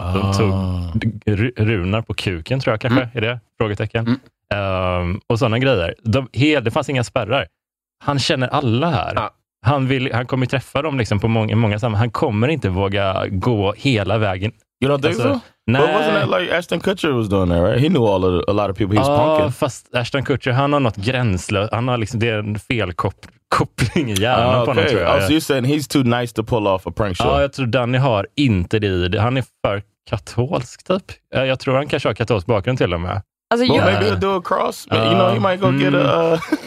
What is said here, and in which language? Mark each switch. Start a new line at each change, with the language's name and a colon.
Swedish: De tog runar på kuken, tror jag kanske, är det? Frågetecken. Mm. Och sådana grejer. Det fanns inga spärrar. Han känner alla här. Ja. Han kommer träffa dem liksom på många sammanhang. Han kommer inte våga gå hela vägen.
English: You don't think so? But wasn't that like Ashton Kutcher was doing that, right? He knew a lot of people he's punking.
Swedish: Fast Ashton Kutcher, han har något gränslöst. Han har liksom, det är en felkoppling i hjärnan på honom, tror jag.
English: So you're saying he's too nice to pull off a prank show?
Swedish: Ja, jag tror Danny har inte det. Han är för katolsk typ. Jag tror han kanske har katolsk bakgrund till och med.
English: Alltså, well, maybe he'll do a cross. You know, he might go get a...